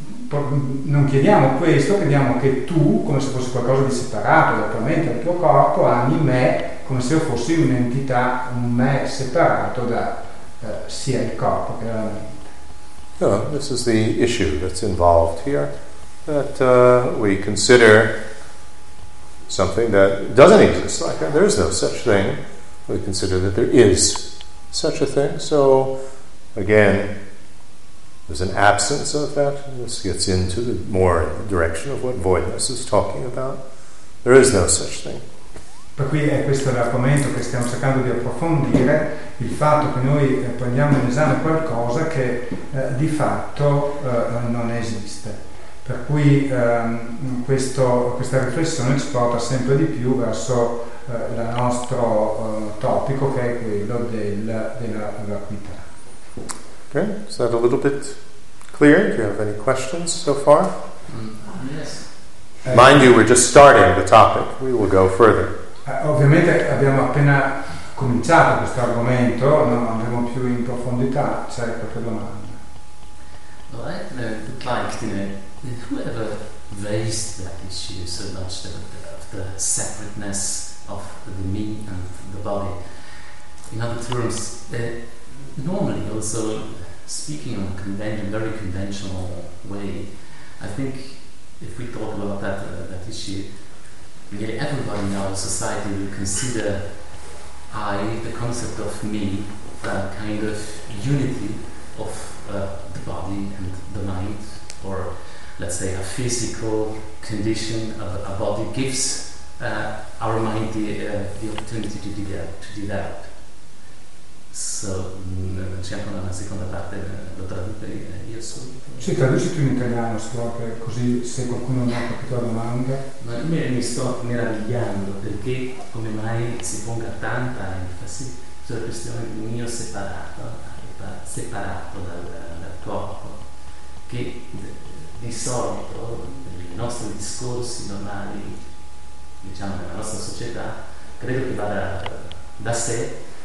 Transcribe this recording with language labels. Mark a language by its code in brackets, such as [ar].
[it] non chiediamo questo, chiediamo che tu, come se fosse qualcosa di separato da tua mente, dal tuo corpo, ami me come se io fossi un'entità, un me separato da sia il corpo che la mente. [en] No, this is the issue that's involved here, that we consider something that doesn't exist, like there is no such thing. We consider that there is such a thing. So again, there's an absence of that. This gets into the more direction of what voidness is talking about. There is no such thing. [it] Per cui è questo l'argomento che stiamo cercando di approfondire, il fatto che noi prendiamo in esame qualcosa che di fatto non esiste. Per cui questa riflessione ci porta sempre di più verso il nostro topico, che è quello della vacuità. [en] Okay, is that a little bit clear? Do you have any questions so far? Yes. Mind you, we're just starting the topic. We will go further. [it] Ovviamente abbiamo appena cominciato questo argomento, non andremo più in profondità. C'è qualche domanda? [en] Well, I would like to know, whoever raised that issue so much of the separateness of the me and the body, in other terms, normally also speaking in a very conventional way, I think if we talk about that issue, nearly everybody in our society will consider I, the concept of me, the kind of unity of the body and the mind, or let's say a physical condition of a body gives our mind the opportunity to develop. [it] So, c'è ancora una seconda parte, lo traduco io solo. Sì, traduci tu in italiano, scusate, così se qualcuno non ha capito la domanda. Ma io mi sto meravigliando perché come mai si ponga tanta enfasi sulla questione di un io separato dal corpo, che di solito nei nostri discorsi normali, diciamo nella nostra società, credo che vada da sé.